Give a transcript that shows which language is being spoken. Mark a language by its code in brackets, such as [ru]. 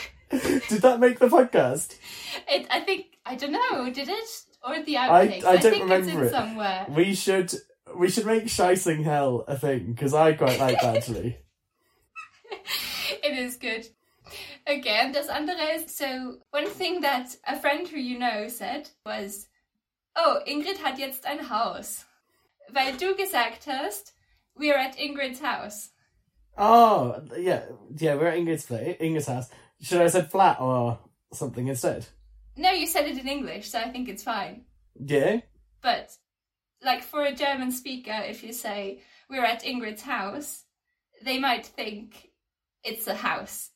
[en] Did that make the podcast? I don't know, did it? Or the outtakes? I don't remember it. Somewhere. We should make Scheißing Hell a thing, because I quite like that actually. It is good. Okay, and [de] das andere ist, [en] so one thing that a friend who you know said was, oh, [de] Ingrid hat jetzt ein Haus. Weil du gesagt hast, [en] we are at Ingrid's house. Oh, yeah, we're at Ingrid's house. Should I have said flat or something instead? No, you said it in English, so I think it's fine. Yeah? But, like, for a German speaker, if you say, we're at Ingrid's house, they might think it's a house.